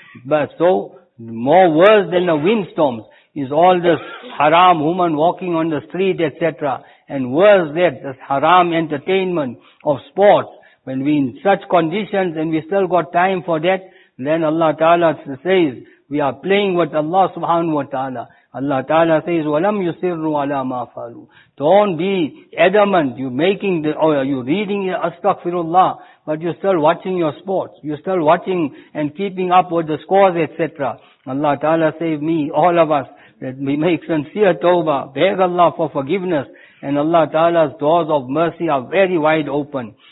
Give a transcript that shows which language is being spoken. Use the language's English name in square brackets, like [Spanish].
[English] But so, more worse than the wind storms is all this haram woman walking on the street, etc. And worse that, this haram entertainment of sports, when we in such conditions and we still got time for that, then Allah Ta'ala says, we are playing with Allah subhanahu wa ta'ala. Allah Ta'ala says, [Arabic] وَلَمْ يُسِرُّوا عَلَى مَا فَعَلُوا. [English] Don't be adamant, you're making, you're reading astaghfirullah, but you're still watching your sports, you're still watching and keeping up with the scores, etc. Allah Ta'ala save me, all of us, that we make sincere tawbah, beg Allah for forgiveness, and Allah Ta'ala's doors of mercy are very wide open.